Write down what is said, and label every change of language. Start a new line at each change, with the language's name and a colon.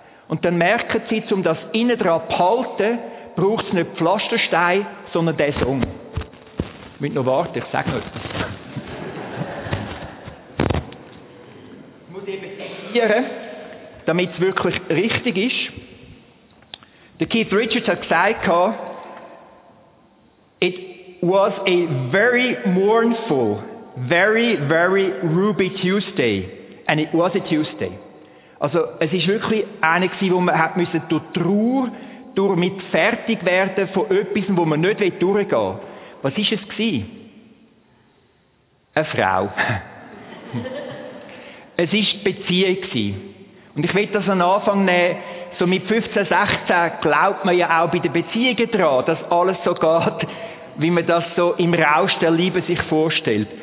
German: Und dann merken Sie, um das innen dran zu halten, braucht es nicht Pflasterstein, sondern den Song. Ich muss noch warten, ich sage noch etwas. Ich muss eben zitieren, damit es wirklich richtig ist. Der Keith Richards hat gesagt,
English: it was a very mournful, very, very Ruby Tuesday. And it was a Tuesday.
German: Also es war wirklich eine, wo man hat müssen durch Trauer, durch mit fertig werden von etwas, wo man nicht durchgehen will. Was war es? Eine Frau. Es war die Beziehung. Und ich will das an Anfang nehmen, so mit 15, 16 glaubt man ja auch bei den Beziehungen dran, dass alles so geht, wie man das so im Rausch der Liebe sich vorstellt.